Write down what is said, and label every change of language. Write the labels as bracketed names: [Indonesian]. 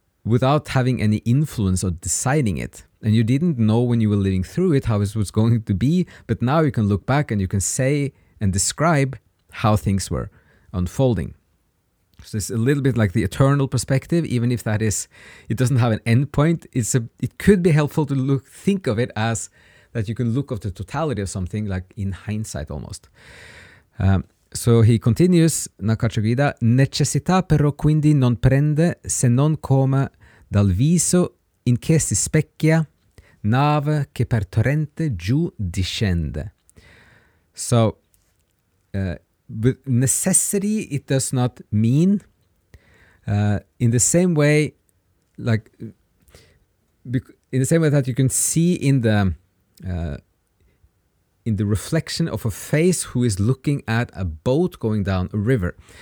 [English] without having any influence or deciding it. And you didn't know when you were living through it how it was going to be, but now you can look back and you can say and describe how things were unfolding. So it's a little bit like the eternal perspective, even if that is, it doesn't have an end point. It could be helpful to think of it as that you can look at the totality of something, like in hindsight almost. So he continues, [Italian] Nakachagida, necessità però quindi non prende se non come dal viso in che si specchia nave che per torrente giù discende. [English] So with necessity, it does not mean in the same way, like in the same way that you can see in the reflection of a face who is looking at a boat going down a river.